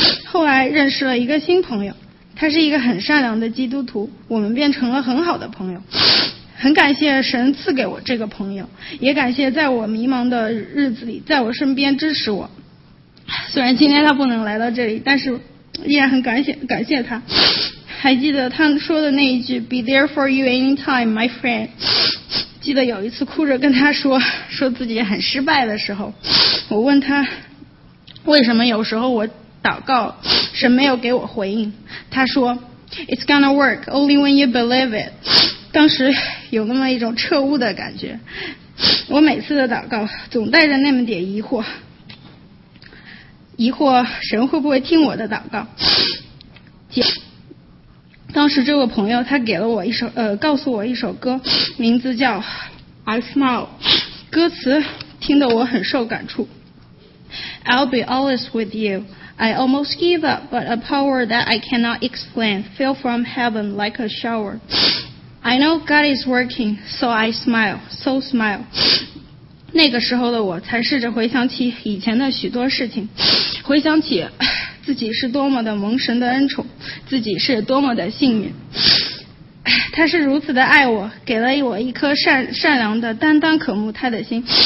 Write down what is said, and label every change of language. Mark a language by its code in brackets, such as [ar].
[zh] 后来认识了一个新朋友，他是一个很善良的基督徒，我们变成了很好的朋友。很感谢神赐给我这个朋友，也感谢在我迷茫的日子里在我身边支持我。虽然今天他不能来到这里，但是依然很感谢他。还记得他说的那一句 [en] Be there for you anytime my friend。 [zh] 记得有一次哭着跟他说自己很失败的时候，我问他为什么有时候我祷告神没有给我回应，他说 [en] It's gonna work only when you believe it。 [zh] 当时有那么一种彻悟的感觉。我每次的祷告总带着那么点疑惑神会不会听我的祷告。当时这位朋友他给了我一首告诉我一首歌，名字叫 I Smile， 歌词听得我很受感触。 [en] I'll be always with you, I almost give up, but a power that I cannot explain fell from heaven like a shower. I know God is working, so I smile, so smile. [zh] 那个时候的我才试着回想起以前的许多事情，回想起自己是多么的蒙神的恩宠，自己是多么的幸运。他是如此的爱我，给了我一颗善良的单单渴慕他的心。